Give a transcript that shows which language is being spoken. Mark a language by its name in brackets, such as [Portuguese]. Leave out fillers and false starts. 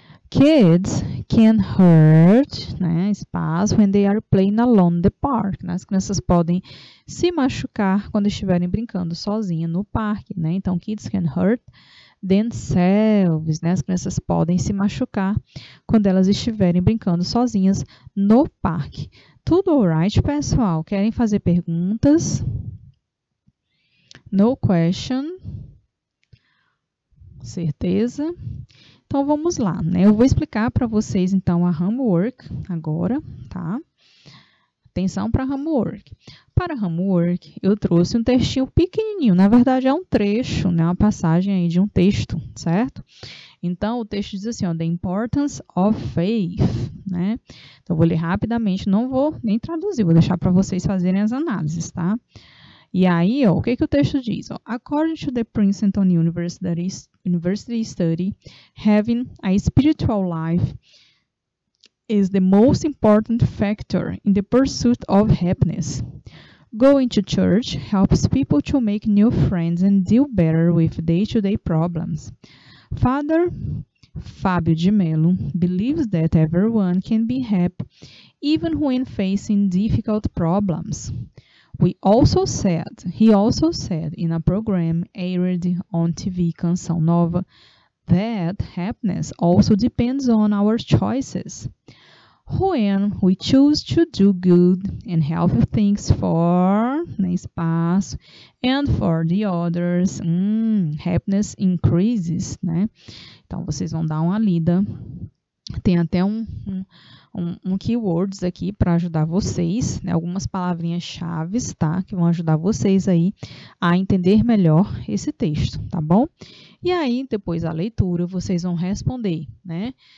[English] Kids can hurt, [Portuguese] né, espaço, [English] when they are playing alone in the park. [Portuguese] Né? As crianças podem se machucar quando estiverem brincando sozinha no parque. Né? [English] Então, kids can hurt themselves. [Portuguese] Né? As crianças podem se machucar quando elas estiverem brincando sozinhas no parque. Tudo alright, pessoal? Querem fazer perguntas? [English] No question. [Portuguese] Certeza? Então vamos lá, né? Eu vou explicar para vocês então a homework agora, tá? Atenção para a homework. Para a homework, eu trouxe um textinho pequenininho. Na verdade, é um trecho, né? Uma passagem aí de um texto, certo? Então o texto diz assim, ó, [English] The importance of faith, [Portuguese] né? Então eu vou ler rapidamente, não vou nem traduzir, vou deixar para vocês fazerem as análises, tá? E aí, ó, o que que o texto diz? [English] Ó, According to the Princeton University study, having a spiritual life is the most important factor in the pursuit of happiness. Going to church helps people to make new friends and deal better with day-to-day problems. Father Fábio de Melo believes that everyone can be happy even when facing difficult problems. He also said in a program aired on TV Canção Nova that happiness also depends on our choices. When we choose to do good and healthy things for, [Portuguese] né, espaço, [English] and for the others, happiness increases, né? [Portuguese] Então vocês vão dar uma lida. Tem até um keywords aqui para ajudar vocês, né? Algumas palavrinhas-chave, tá? Que vão ajudar vocês aí a entender melhor esse texto, tá bom? E aí, depois da leitura, vocês vão responder, né?